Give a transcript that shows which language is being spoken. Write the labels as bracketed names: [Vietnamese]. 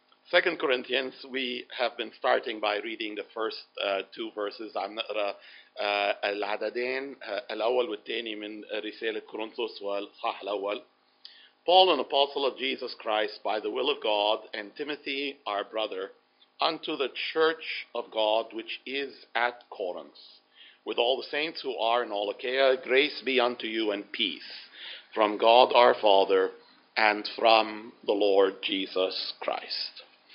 [English] Second Corinthians, we have been starting by reading the first two verses. [Arabic] عم نقرأ العددين الأول والثاني من رسالة كورنثوس والصحاح الأول. [English] Paul, an apostle of Jesus Christ, by the will of God, and Timothy, our brother, unto the church of God which is at Corinth, with all the saints who are in all Achaia, grace be unto you and peace from God our Father and from the Lord Jesus Christ.